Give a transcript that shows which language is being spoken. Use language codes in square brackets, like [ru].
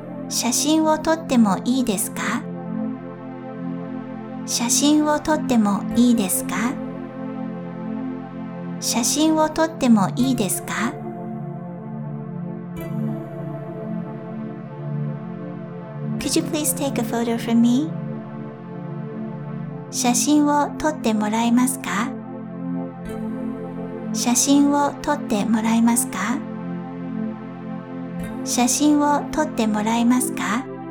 [ja] 写真を撮ってもいいですか？写真を撮ってもいいですか？写真を撮ってもいいですか？ [en] Could you please take a photo for me? [ja] 写真を撮ってもらえますか？写真を撮ってもらえますか？写真を撮ってもらえますか？